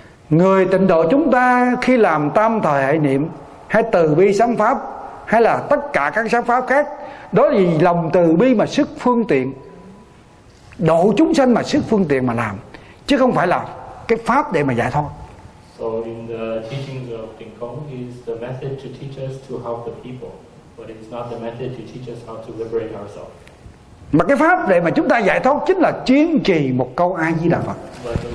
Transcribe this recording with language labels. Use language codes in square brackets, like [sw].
[vi] Người tịnh độ chúng ta khi làm tam thời hệ niệm hay từ bi sám pháp hay là tất cả các sám pháp khác, đó là vì lòng từ bi mà sức phương tiện, độ chúng sanh mà sức phương tiện mà làm, chứ không phải là cái pháp để mà giải thoát. [en] So in the teachings of Tịnh Không is the method to teach us to help the people, but it's not the method to teach us how to liberate ourselves. [vi] Mà cái pháp để mà chúng ta giải thoát chính là chuyên trì một câu A Di Đà Phật.